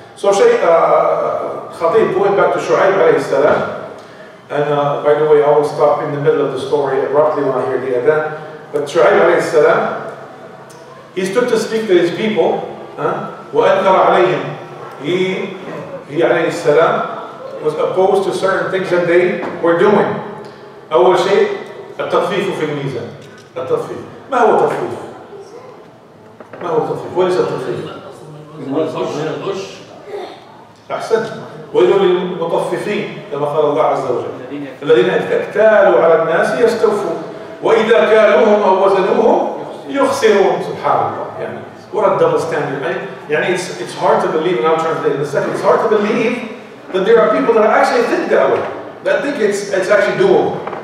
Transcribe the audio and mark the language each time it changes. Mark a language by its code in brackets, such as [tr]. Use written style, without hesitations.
[en] So Shaykh Khatib, going back to Shu'ayb alayhi salam, and by the way, I will stop in the middle of the story abruptly when I hear the adhan, but Shu'ayb alayhi salam, he stood to speak to his people, [ar] وَأَنْكَرَ عَلَيْهِمْ, [en] he alayhi salam was opposed to certain things that they were doing. [ar] أول شيء التخفيف في الميزان. التخفيف. ما هو التخفيف؟ ما هو التخفيف؟ [en] What is [ar] التخفيف؟ الغش. أحسن. ويل للمطففين كما قال الله عز وجل. الذين اكتالوا على الناس يستوفوا وإذا كالوهم أو وزنوهم يخسرون. سبحان الله. [en] What a double standard, right? Yani it's hard to believe, and I'll translate in a second, it's hard to believe that there are people that actually think that way, that think it's actually doable.